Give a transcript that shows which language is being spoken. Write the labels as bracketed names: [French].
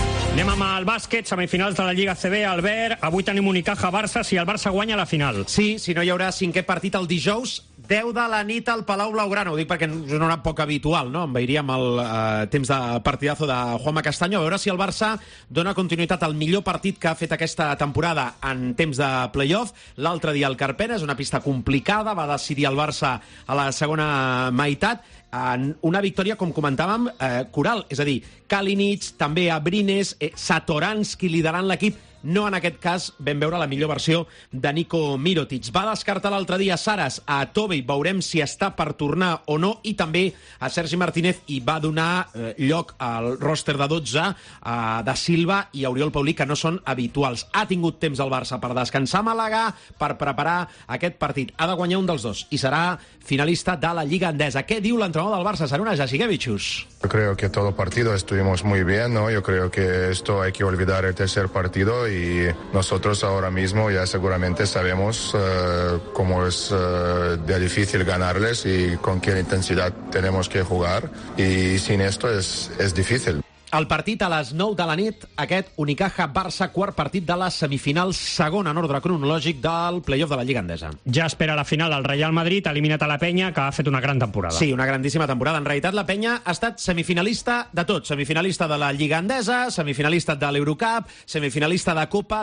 [Catalan] Anem amb el bàsquet, semifinals de la Lliga CB, Albert. Avui tenim Unicaja-Barça, si el Barça guanya la final. Sí, si no hi haurà cinquè partit el dijous, 10 de la nit al Palau Blaugrana. Ho dic perquè és una hora poc habitual, no? En veiríem el temps de partidazo de Juanma Castaño. A veure si el Barça dona continuïtat al millor partit que ha fet aquesta temporada en temps de playoff. L'altre dia al Carpena, és una pista complicada, va decidir el Barça a la segona meitat. En una victòria, com comentàvem, coral, és a dir, Kalinic, també Abrines, Satoransky liderant l'equip. No en aquest cas vam veure la millor versió de Niko Mirotić. Va descartar l'altre dia Saras a Tobey, veurem si està per tornar o no, i també a Sergi Martínez, i va donar lloc al roster de 12 de Silva i Oriol Paulí, que no són habituals. Ha tingut temps el Barça per descansar Màlaga, per preparar aquest partit. Ha de guanyar un dels dos i serà finalista de la Lliga Endesa. Què diu l'entrenador del Barça, Sarunas Jasikevičius? [Spanish] Yo creo que todo partido estuvimos muy bien, ¿no? Yo creo que esto hay que olvidar el tercer partido y nosotros ahora mismo ya seguramente sabemos cómo es de difícil ganarles y con qué intensidad tenemos que jugar, y sin esto es difícil. [Catalan] El partit a les 9 de la nit, aquest Unicaja-Barça, quart partit de la semifinal, segon en ordre cronològic del play-off de la Lliga Endesa. Ja espera la final el Real Madrid, eliminat a la Penya, que ha fet una gran temporada. Sí, una grandíssima temporada. En realitat, la Penya ha estat semifinalista de tot. Semifinalista de la Lliga Endesa, semifinalista de l'Eurocup, semifinalista de Copa.